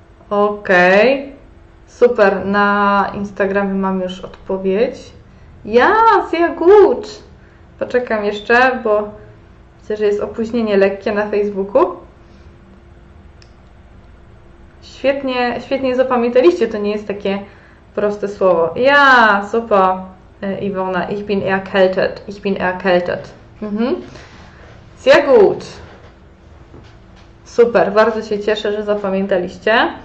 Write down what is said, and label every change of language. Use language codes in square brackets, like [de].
[pl] Okej. Super, na Instagramie mam już odpowiedź. [de] Ja, sehr gut. [pl] Poczekam jeszcze, bo widzę, że jest opóźnienie lekkie na Facebooku. Świetnie, świetnie zapamiętaliście, to nie jest takie proste słowo. [de] Ja, super, Iwona, ich bin erkältet. Ich bin erkältet. Sehr gut. [pl] Super, bardzo się cieszę, że zapamiętaliście.